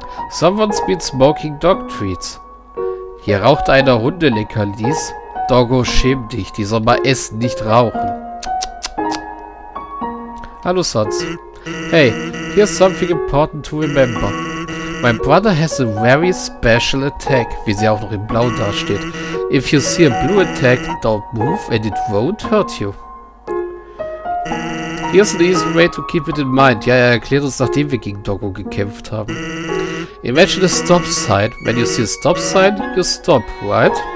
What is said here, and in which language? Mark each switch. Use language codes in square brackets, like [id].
[en] Someone's been smoking dog treats. [de] Hier raucht einer Hundeleckerlis. Doggo, schäm dich, die soll mal essen, nicht rauchen. [en] Hallo, Sans. Hey, here's something important to remember. My brother has a very special attack, [de] wie sie auch noch in blau dasteht. [en] If you see a blue attack, don't move and it won't hurt you. Here's an easy way to keep it in mind. [de] Ja, er erklärt uns, nachdem wir gegen Doggo gekämpft haben. [en] Imagine a stop sign. When you see a stop sign, you stop, right?